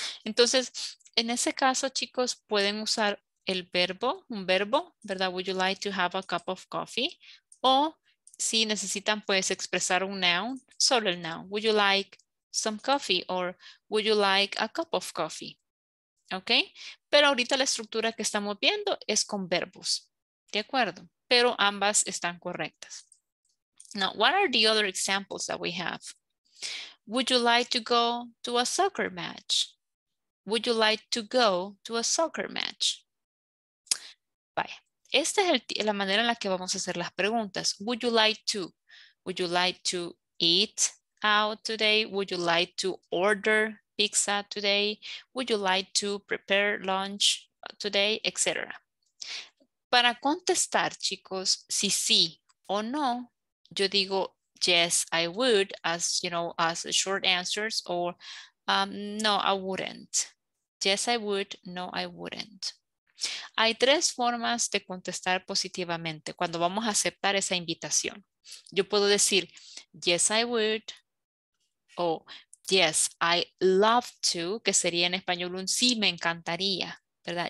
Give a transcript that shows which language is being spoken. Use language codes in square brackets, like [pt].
[es] Entonces, en ese caso, chicos, pueden usar el verbo, un verbo, ¿verdad? [en] Would you like to have a cup of coffee? [es] O si necesitan, pues, expresar un noun, solo el noun. [en] Would you like some coffee? Or would you like a cup of coffee? Okay. [es] Pero ahorita la estructura que estamos viendo es con verbos. ¿De acuerdo? Pero ambas están correctas. [en] Now, what are the other examples that we have? Would you like to go to a soccer match? Would you like to go to a soccer match? Bye. [es] Esta es la manera en la que vamos a hacer las preguntas. [en] Would you like to? Would you like to eat out today? Would you like to order pizza today? Would you like to prepare lunch today? Etc. [es] Para contestar, chicos, si sí o no, yo digo, [en] yes, I would, as you know, as short answers, or no, I wouldn't. Yes, I would. No, I wouldn't. [es] Hay tres formas de contestar positivamente cuando vamos a aceptar esa invitación. Yo puedo decir, [en] yes, I would, [es] o [en] yes, I love to, [es] que sería en español un sí, me encantaría, ¿verdad?